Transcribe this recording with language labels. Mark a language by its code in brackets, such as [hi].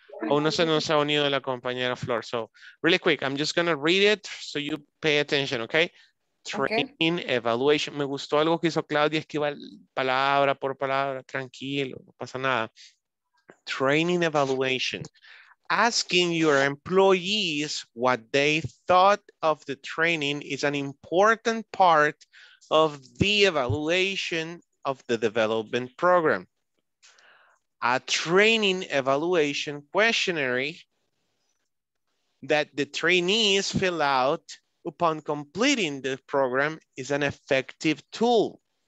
[es] Oh, no se nos ha unido la compañera Flor. [en] So really quick, I'm just going to read it so you pay attention, okay? Training evaluation. [es] Me gustó algo que hizo Claudia, esquiva palabra por palabra, tranquilo, no pasa nada. [en] Training evaluation. Asking your employees what they thought of the training is an important part of the evaluation of the development program. A training evaluation questionnaire that the trainees fill out upon completing the program is an effective tool.